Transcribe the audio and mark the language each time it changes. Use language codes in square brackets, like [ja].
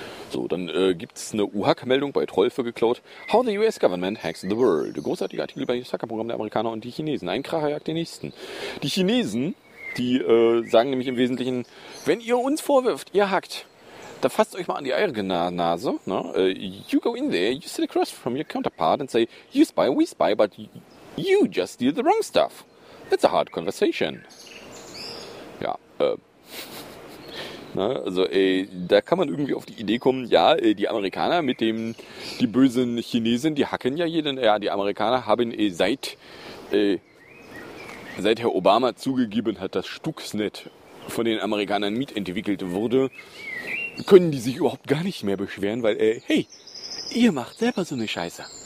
[de] So, dann gibt es eine UHAC-Meldung bei Trollfe geklaut. [en] How the US Government Hacks the World. [de] Großartiger Artikel über das Hackerprogramm der Amerikaner und die Chinesen. Ein Kracher jagt den nächsten. Die Chinesen, die sagen nämlich im Wesentlichen, wenn ihr uns vorwirft, ihr hackt, dann fasst euch mal an die eigene Nase. Ne? [en] You go in there, you sit across from your counterpart and say, you spy, we spy, but you just did the wrong stuff. That's a hard conversation. [de] Ja, da kann man irgendwie auf die Idee kommen, ja, die Amerikaner mit dem, die bösen Chinesen, die hacken ja jeden, ja, die Amerikaner haben seit Herr Obama zugegeben hat, dass Stuxnet von den Amerikanern mitentwickelt wurde, können die sich überhaupt gar nicht mehr beschweren, weil, hey, ihr macht selber so eine Scheiße.